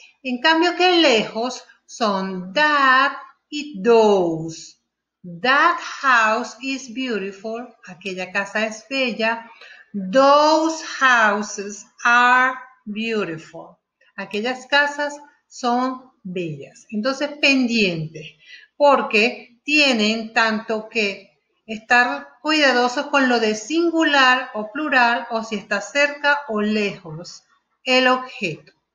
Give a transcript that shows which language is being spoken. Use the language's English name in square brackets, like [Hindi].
[Spanish] En cambio que lejos son that y those. [English] That house is beautiful. Aquella casa es bella. Those houses are beautiful. [Spanish] Aquellas casas son bellas. Entonces, pendiente, porque tienen tanto que estar cuidadosos con lo de singular o plural, o si está cerca o lejos el objeto.